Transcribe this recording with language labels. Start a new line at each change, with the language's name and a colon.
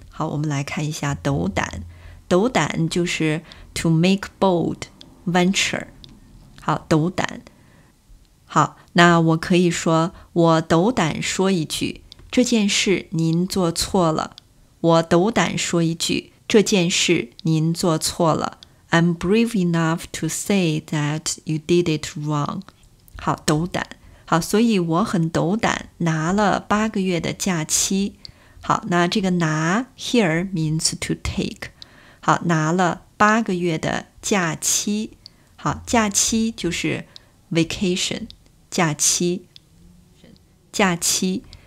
Chinese: 好，我们来看一下斗胆，斗胆就是
English: to make bold venture。
Chinese: 好，斗胆。好，那我可以说，我斗胆说一句，这件事您做错了。我斗胆说一句，这件事您做错了。
English: I'm brave enough to say that you did it wrong。
Chinese: 好，斗胆。好，所以我很斗胆拿了八个月的假期。好，那这个拿
English: here means to take。
Chinese: 好，拿了八个月的假期。好，假期就是 vacation，假期，假期。